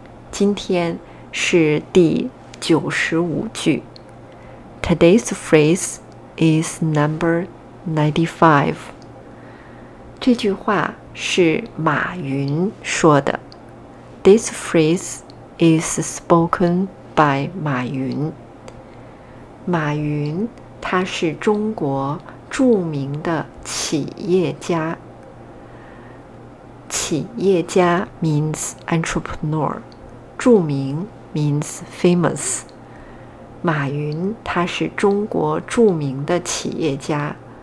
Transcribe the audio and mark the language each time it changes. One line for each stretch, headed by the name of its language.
Chinese: 今天是第95句。
English: Today's phrase is number 95.
Chinese: 这句话是马云说的。
English: This phrase is spoken by 马云。
Chinese: 马云他是中国著名的企业家。
English: 企业家 means entrepreneur， 著名 means famous。
Chinese: 马云他是中国著名的企业家。